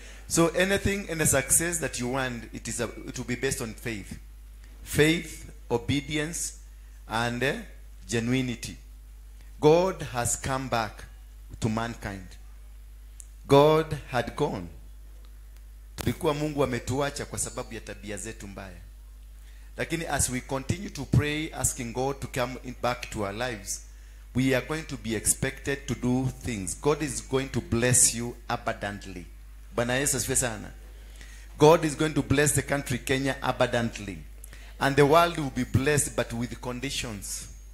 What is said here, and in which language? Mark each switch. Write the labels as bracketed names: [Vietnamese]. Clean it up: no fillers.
[English] So anything and a success that you want, it will be based on faith. Faith, obedience, and genuinity. God has come back to mankind. God had gone. [Swahili] Tulikuwa Mungu ametuacha kwa sababu ya tabia zetu mbaya. Lakini [English] as we continue to pray, asking God to come back to our lives, we are going to be expected to do things. God is going to bless you abundantly. [Swahili] Bwana Yesu asifiwe sana. [English] God is going to bless the country Kenya abundantly. And the world will be blessed, but with conditions.